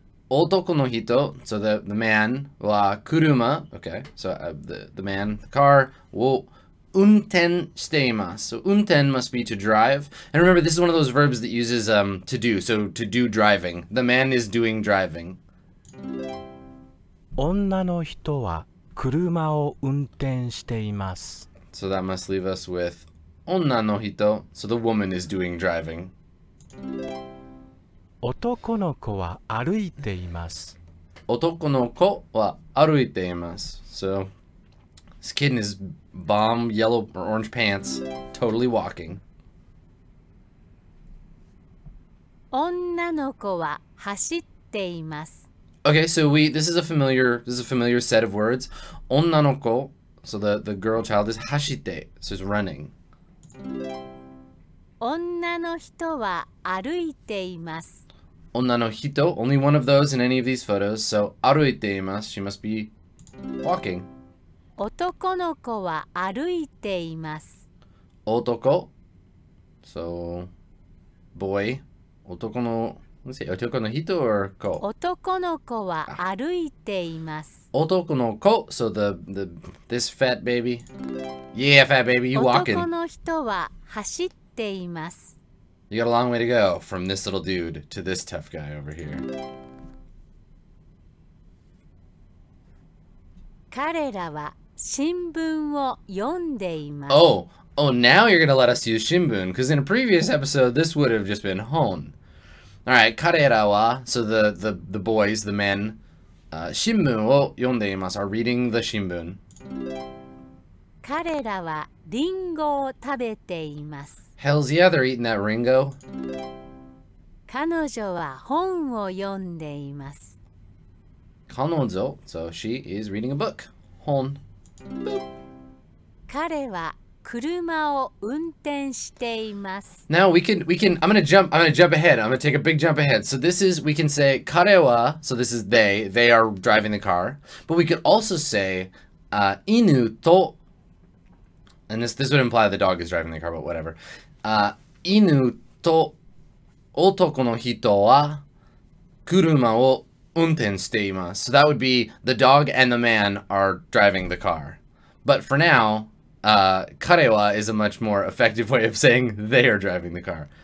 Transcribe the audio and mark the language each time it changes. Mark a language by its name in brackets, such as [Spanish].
[English] Otoko no hito, so the man, wa kuruma, okay, so the man, the car, wo [Japanese] unten shiteimasu. [English] So unten must be to drive. And remember, this is one of those verbs that uses to do. So to do driving. The man is doing driving. [Japanese] 女の人は車を運転しています。 [English] So that must leave us with 女の人.So the woman is doing driving. [Japanese] 男の子は歩いています。男の子は歩いています。 [English] So this kid in his bomb yellow or orange pants totally walking. [Japanese] 女の子は走っています。 [English] Okay, so this is a familiar set of words. 女の子, so the girl child is 走って, so it's running. [Japanese] 女の人は歩いています。 [English] 女の人, only one of those in any of these photos, so 歩いています, she must be walking. [Japanese] 男の子は歩いています。 [English] 男, so boy, 男の Let's say 男の人 or 子? [Japanese] 男の子は歩いています。 [English] 男の子, so this fat baby. Yeah, fat baby, you walking. [Japanese] 男の人は走っています。 [English] You got a long way to go from this little dude to this tough guy over here. [Japanese] 彼らは新聞を読んでいます。 [English] Oh, now you're gonna let us use 新聞, because in a previous episode, this would have just been 本. Alright, 彼らは, so the boys, the men, [Japanese] 新聞を読んでいます, [English] are reading the 新聞. [Japanese] 彼らはリンゴを食べています。 [English] Hells yeah, they're eating that Ringo. [Japanese] 彼女は本を読んでいます。 [English] 彼女, so she is reading a book. 本. [Japanese] 彼は車を運転しています。 [English] Now we can. I'm gonna jump ahead. I'm gonna take a big jump ahead. So this is we can say 彼は.So this is they. They are driving the car. But we could also say 犬と. And this would imply the dog is driving the car. But whatever. [Japanese] 犬と男の人は車を運転しています. [English] So that would be the dog and the man are driving the car. But for now. Karewa is a much more effective way of saying they are driving the car.